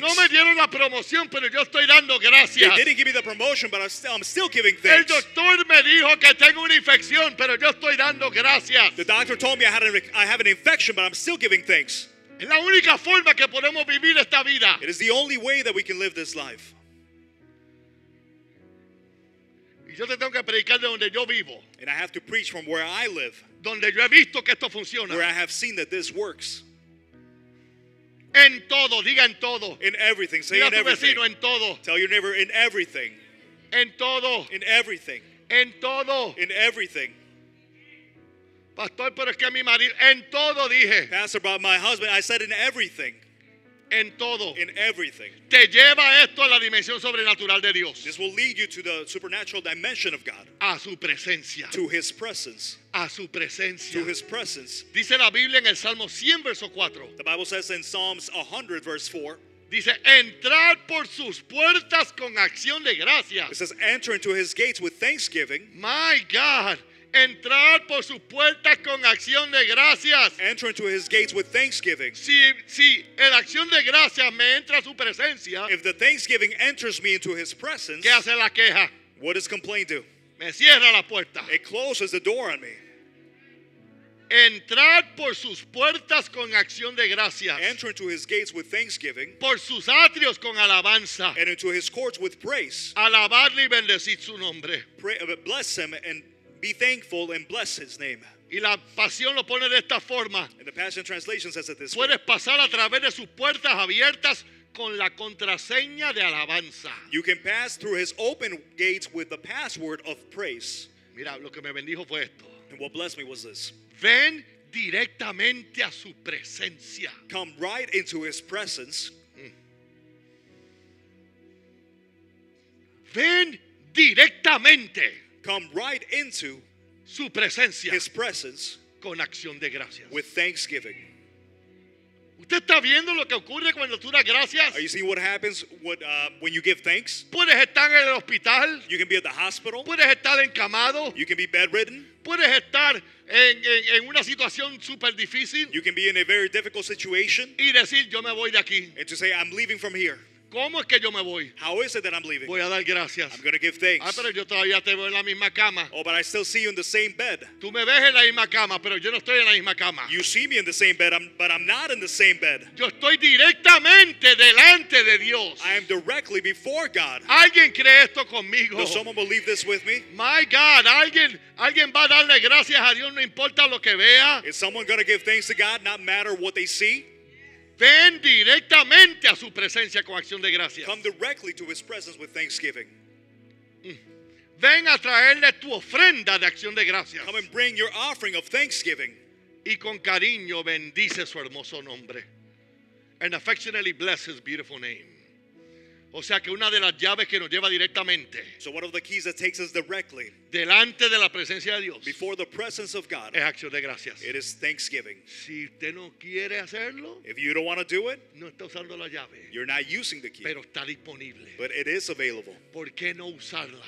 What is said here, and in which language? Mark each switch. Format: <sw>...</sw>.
<es>No me dieron la promoción, pero yo estoy dando gracias.</es> <en>They didn't give me the promotion, but I'm still giving thanks.</en> <es>El doctor me dijo que tengo una infección. Pero yo estoy dando gracias.</es> <en>The doctor told me I have an infection, but I'm still giving thanks.</en> <es>Es la única forma que podemos vivir esta vida.</es> <en>It is the only way that we can live this life.</en> <es>Y yo te tengo que predicar de donde yo vivo.</es> <en>And I have to preach from where I live.</en> <es>Donde yo he visto que esto funciona.</es> <en>Where I have seen that this works.</en> <es>En todo, diga en todo.</es> <en>In everything, say</en> <es>diga</es> <en>in everything.</en> <es>Vecino, en todo.</es> <en>Tell your neighbor in everything.</en> <es>En todo.</es> <en>In everything.</en> <es>En todo.</es> <en>In everything.</en> <es>Pastor, pero es que mi marido. En todo dije.</es> <en>Pastor, but my husband, I said in everything.</en> <es>En todo.</es> <en>In everything.</en> <es>Te lleva esto a la dimensión sobrenatural de Dios.</es> <en>This will lead you to the supernatural dimension of God.</en> <es>A su presencia.</es> <en>To his presence.</en> <es>A su presencia.</es> <en>To his presence.</en> <es>Dice la Biblia en el Salmo 100 verso 4.</es> <en>The Bible says in Psalms 100 verse 4.</en> <es>Dice, entrar por sus puertas con acción de gracias.</es> <en>It says, enter into his gates with thanksgiving. My God,</en> <es>entrar por sus puertas con acción de gracias.</es> <en>Enter into his gates with thanksgiving.</en> <es>Si en acción de gracias me entra su presencia.</es> <en>If the thanksgiving enters me into his presence.</en> <es>¿Qué hace la queja?</es> <en>What does complaint do?</en> <es>Me cierra la puerta.</es> <en>It closes the door on me.</en> <es>Entrar por sus puertas con acción de gracias.</es> <en>Enter into his gates with thanksgiving.</en> <es>Por sus atrios con alabanza.</es> <en>And into his courts with praise.</en> <es>Alabarle y bendecir su nombre.</es> <en>Bless him and be thankful and bless his name.</en> <es>Y la pasión lo pone de esta forma.</es> <en>And the Passion Translation says it this way.</en> <es>Puedes pasar a través de sus puertas abiertas con la contraseña de alabanza.</es> <en>You can pass through his open gates with the password of praise.</en> <es>Mira, lo que me bendijo fue esto.</es> <en>And what blessed me was this.</en> <es>Ven directamente a su presencia.</es> <en>Come right into his presence.</en> <es>Ven directamente.</es> <en>Come right into</en> <es>su presencia.</es> <en>His presence.</en> <es>Con acción de gracias.</es> <en>With thanksgiving.</en> <es>¿Usted está viendo lo que ocurre cuando tú das gracias?</es> <en>Are you seeing what happens when you give thanks?</en> <es>Puedes estar en el hospital.</es> <en>You can be at the hospital.</en> <es>Puedes estar encamado.</es> <en>You can be bedridden.</en> <es>Puedes estar en una situación super difícil.</es> <en>You can be in a very difficult situation.</en> <es>Y decir, yo me voy de aquí.</es> <en>And to say, I'm leaving from here.</en> <es>¿Cómo es que yo me voy?</es> <en>How is it that I'm leaving?</en> <es>Voy a dar gracias.</es> <en>I'm going to give thanks.</en> <es>Ah, pero yo todavía te veo en la misma cama.</es> <en>Oh, but I still see you in the same bed.</en> <es>Tú me ves en la misma cama, pero yo no estoy en la misma cama.</es> <en>You see me in the same bed, but I'm not in the same bed.</en> <es>Yo estoy directamente delante de Dios.</es> <en>I am directly before God.</en> <es>¿Alguien cree esto conmigo?</es> <en>Does someone believe this with me? My God,</en> <es>alguien va a darle gracias a Dios, no importa lo que vea.</es> <en>Is someone going to give thanks to God, not matter what they see?</en> <es>Ven directamente a su presencia con acción de gracias.</es> <en>Come directly to his presence with thanksgiving.</en> <es>Ven a traerle tu ofrenda de acción de gracias.</es> <en>Come and bring your offering of thanksgiving.</en> <es>Y con cariño bendice su hermoso nombre.</es> <en>And affectionately bless his beautiful name.</en> <es>O sea que una de las llaves que nos lleva directamente.</es> <en>So one of the keys that takes us directly.</en> <es>Delante de la presencia de Dios.</es> <en>Before the presence of God.</en> <es>Es acción de gracias.</es> <en>It is thanksgiving.</en> <es>Si usted no quiere hacerlo.</es> <en>If you don't want to do it.</en> <es>No está usando la llave.</es> <en>You're not using the key.</en> <es>Pero está disponible.</es> <en>But it is available.</en> <es>¿Por qué no usarla?</es>